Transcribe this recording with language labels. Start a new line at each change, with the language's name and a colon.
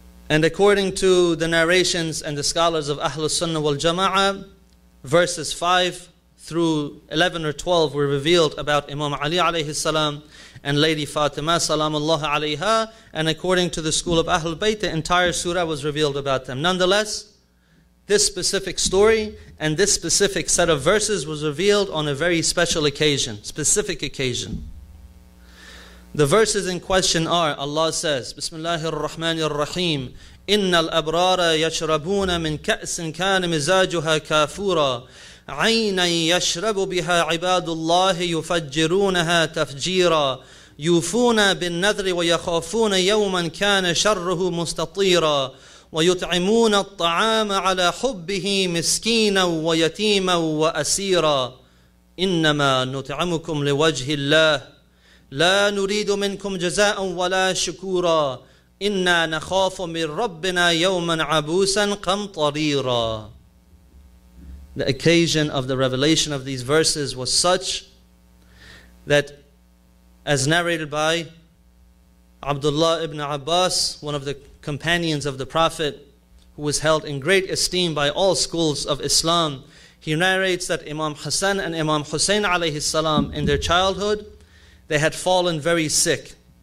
English: And according to the narrations and the scholars of Ahlul Sunnah wal-Jama'ah, verses 5 through 11 or 12 were revealed about Imam Ali alayhi salam and Lady Fatima salamullah alayha, and according to the school of Ahlul Bayt, the entire surah was revealed about them. Nonetheless, this specific story and this specific set of verses was revealed on a very special occasion, specific occasion. The verses in question are, Allah says, Bismillahir Rahmanir Rahim,
Arabic: إِنَّ الْأَبْرَارَ يَشْرَبُونَ مِنْ كَأْسٍ كَانَ مِزَاجُهَا كَافُورًا عَيْنًا يَشْرَبُ بِهَا عِبَادُ اللَّهِ يُفَجِّرُونَهَا تَفْجِيرًا يُوفُونَ بِالنَّذْرِ وَيَخَافُونَ يَوْمًا كَانَ شَرُّهُ مُسْتَطِيرًا ويطعمون الطعام على حبه مسكينا ويتيما وأسيرا إنما نطعمكم لوجه الله لا نريد منكم جزاء ولا شكورا إنا نخاف من ربنا يوما عبوسا قمطريرا.
English: The occasion of the revelation of these verses was such that, as narrated by Abdullah ibn Abbas, one of the companions of the Prophet, who was held in great esteem by all schools of Islam, he narrates that Imam Hassan and Imam Hussein alayhi salam, in their childhood, they had fallen very sick.